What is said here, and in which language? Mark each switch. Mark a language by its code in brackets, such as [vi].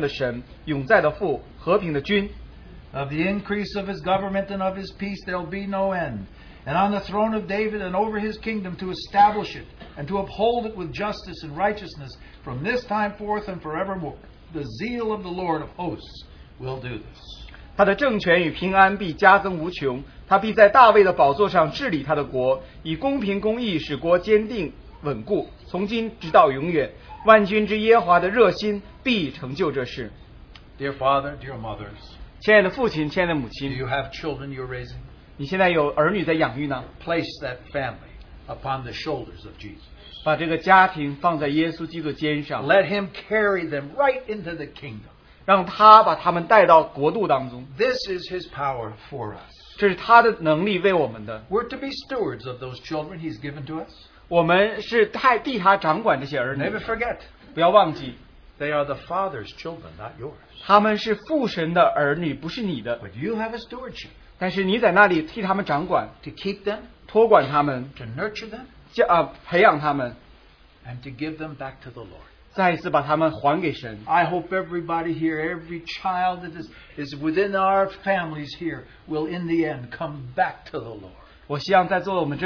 [zh] 政权必担在他肩头上，他名称为奇妙测试，全能的神，永在的父，和平的君。 [en] Of the increase of his government and of his peace there will be no end. And on the throne of David and over his kingdom to establish it and to uphold it with justice and righteousness from this time forth and forevermore. The zeal of the Lord of hosts will do this. [zh] 他的政权与平安必加增无穷，他必在大卫的宝座上治理他的国，以公平公义使国坚定。稳固，从今直到永远，万军之耶和华的热心必成就这事。 [en] Dear father, dear mothers, [zh] 亲爱的父亲，亲爱的母亲， [en] Do you have children you're raising? [zh] 你现在有儿女在养育呢？ [en] Place that family upon the shoulders of Jesus. [zh] 把这个家庭放在耶稣基督肩上。 [en] Let him carry them right into the kingdom. [zh] 让他把他们带到国度当中。 [en] This is his power for us. [zh] 这是他的能力为我们的。 [en] We're to be stewards of those children he's given to us. [zh] 我们是替他掌管这些儿女。 [en] Never forget. [zh] 不要忘记, [en] they are the Father's children, not yours. [zh] 他们是父神的儿女,不是你的。 [en] But you have a stewardship. [zh] 但是你在那里替他们掌管, [en] to keep them, [zh] 托管他们, [en] to nurture them, [zh] 培养他们, [en] and to give them back to the Lord. [zh] 再一次把他们还给神。 [en] I hope everybody here, every child that is within our families here, will in the end come back to the Lord.